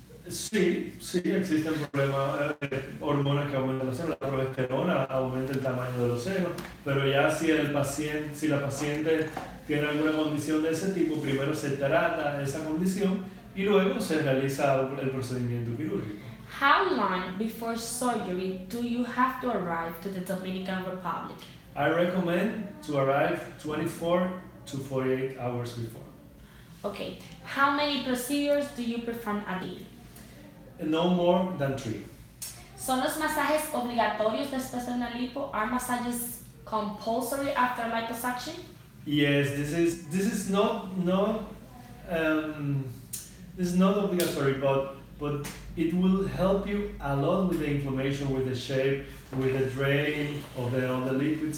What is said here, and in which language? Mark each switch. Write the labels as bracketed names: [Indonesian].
[Spanish] Sí, existe el problema de hormonas que aumentan los senos, la progesterona aumenta el tamaño de los senos, pero ya si el paciente, si la paciente tiene alguna condición de ese tipo, primero se trata esa condición y luego se realiza el procedimiento quirúrgico. [English] How long before surgery do you have to arrive to the Dominican Republic? I recommend to arrive 24 to 48 hours before. Okay, how many procedures do you perform a day? No more than 3. [Spanish] ¿Son los masajes obligatorios después de una lipo? [English] Are massages compulsory after liposuction? Yes, this is not obligatory, but it will help you a lot with the inflammation, with the shape, with the drain of the liquids.